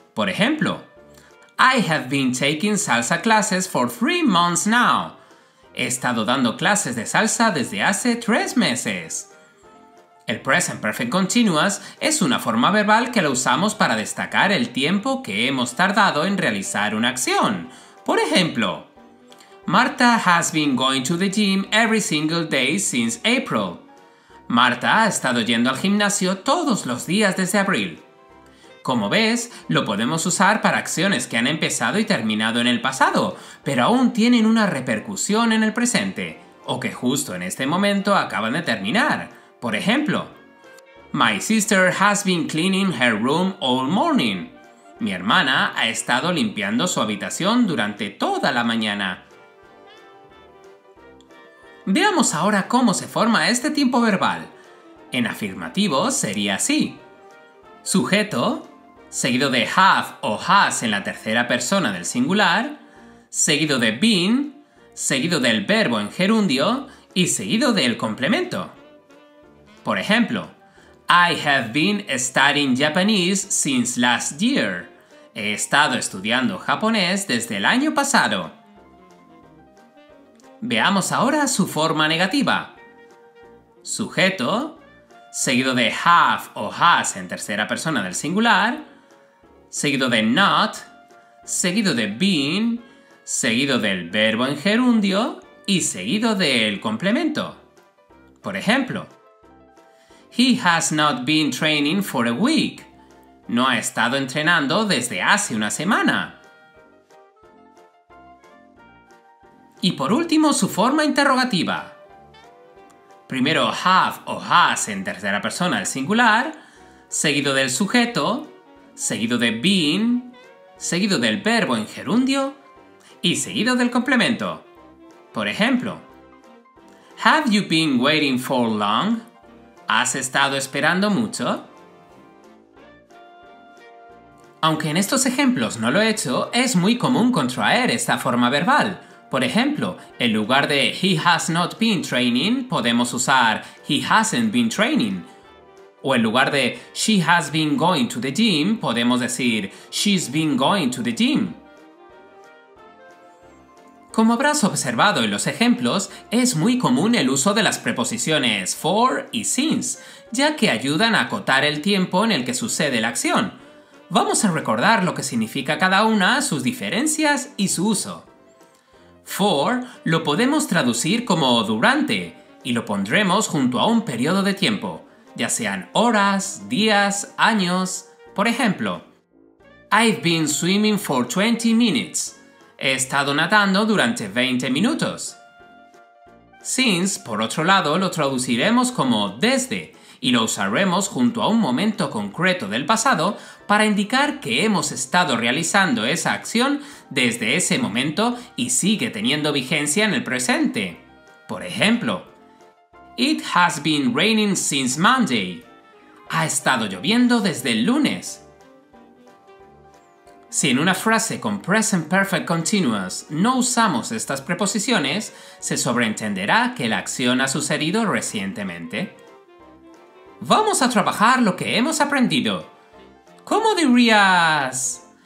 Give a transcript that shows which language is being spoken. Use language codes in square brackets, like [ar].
[es] Por ejemplo, [en] I have been taking salsa classes for 3 months now. [es] He estado dando clases de salsa desde hace 3 meses. El present perfect continuous es una forma verbal que lo usamos para destacar el tiempo que hemos tardado en realizar una acción. Por ejemplo, [en] Marta has been going to the gym every single day since April. [es] Marta ha estado yendo al gimnasio todos los días desde abril. Como ves, lo podemos usar para acciones que han empezado y terminado en el pasado, pero aún tienen una repercusión en el presente, o que justo en este momento acaban de terminar. Por ejemplo, [en] My sister has been cleaning her room all morning. [es] Mi hermana ha estado limpiando su habitación durante toda la mañana. Veamos ahora cómo se forma este tiempo verbal. En afirmativo sería así. Sujeto, seguido de have o has en la tercera persona del singular, seguido de been, seguido del verbo en gerundio y seguido del complemento. Por ejemplo, [en] I have been studying Japanese since last year. [es] He estado estudiando japonés desde el año pasado. Veamos ahora su forma negativa. Sujeto, seguido de have o has en tercera persona del singular, seguido de not, seguido de been, seguido del verbo en gerundio y seguido del complemento. Por ejemplo, [en] he has not been training for a week. [es] No ha estado entrenando desde hace una semana. Y por último, su forma interrogativa. Primero have o has en tercera persona del singular, seguido del sujeto, seguido de been, seguido del verbo en gerundio y seguido del complemento. Por ejemplo, [en] have you been waiting for long? [es] ¿Has estado esperando mucho? Aunque en estos ejemplos no lo he hecho, es muy común contraer esta forma verbal. Por ejemplo, en lugar de [en] he has not been training, [es] podemos usar [en] he hasn't been training. [es] O en lugar de [en] she has been going to the gym, [es] podemos decir [en] she's been going to the gym. [es] Como habrás observado en los ejemplos, es muy común el uso de las preposiciones for y since, ya que ayudan a acotar el tiempo en el que sucede la acción. Vamos a recordar lo que significa cada una, sus diferencias y su uso. For lo podemos traducir como durante y lo pondremos junto a un periodo de tiempo, ya sean horas, días, años. Por ejemplo, [en] I've been swimming for 20 minutes. [es] He estado nadando durante 20 minutos. Since, por otro lado, lo traduciremos como desde y lo usaremos junto a un momento concreto del pasado para indicar que hemos estado realizando esa acción desde ese momento y sigue teniendo vigencia en el presente. Por ejemplo, [en] it has been raining since Monday. [es] Ha estado lloviendo desde el lunes. Si en una frase con present perfect continuous no usamos estas preposiciones, se sobreentenderá que la acción ha sucedido recientemente. Vamos a trabajar lo que hemos aprendido. ¿Cómo dirías?